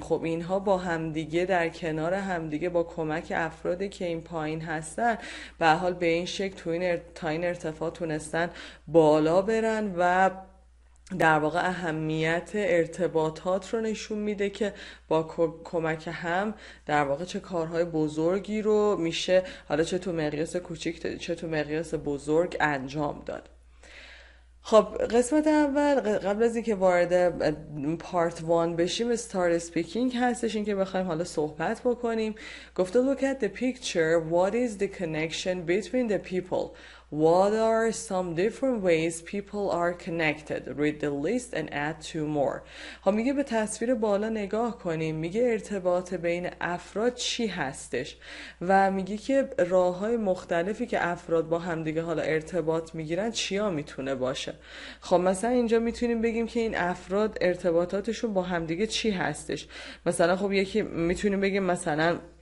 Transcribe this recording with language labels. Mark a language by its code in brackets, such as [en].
[fa] خب اینها با همدیگه در کنار همدیگه با کمک افرادی که این پایین هستن به هر حال به این شکل تو این تا این ارتفاع تونستن بالا برن و در واقع اهمیت ارتباطات رو نشون میده که با کمک هم در واقع چه کارهای بزرگی رو میشه حالا چه تو مقیاس کوچیک چه تو مقیاس بزرگ انجام داد. خب قسمت اول قبل از اینکه وارد پارت 1 بشیم استارت اسپیکینگ هستش، اینکه بخوایم حالا صحبت بکنیم. گفته [en] look at the picture what is the connection between the people، What are some different ways people are connected? Read the list and add two more. [fa] ها میگه به تصویر بالا نگاه کنیم. میگه ارتباط بین افراد چی هستش؟ و میگه که راه‌های مختلفی که افراد با همدیگه حالا ارتباط میگیرن چیا میتونه باشه؟ خب مثلا اینجا میتونیم بگیم که این افراد ارتباطاتشون با همدیگه چی هستش؟ مثلا خب یکی میتونیم بگیم مثلا